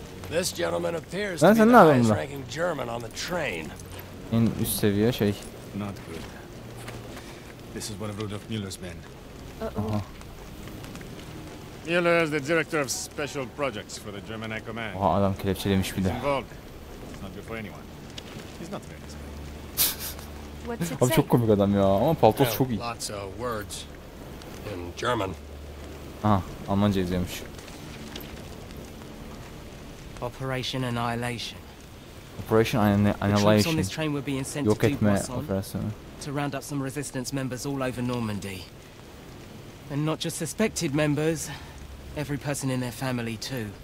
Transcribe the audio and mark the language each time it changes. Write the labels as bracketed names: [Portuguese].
[English] This gentleman appears to be the highest ranking German on the train. [Turkish] En üst seviye şey. [English] Not good. This is one of Rudolf Müller's men. Uh-oh. Müller is the director of special projects for the German High Command. [Turkish] Oha, adam kelepçelemiş bir de. [English] He's not good for anyone. He's not very good. [Turkish] Abi çok komik adam ya ama paltosu çok iyi. [English] Lots of words in German. [Turkish] Aha, Almanca izliyormuş. [English] Operation Annihilation. Operation Annihilation. This train will be sent to Dupont to round up some resistance members all over Normandy. And not just suspected members, every person in their family too.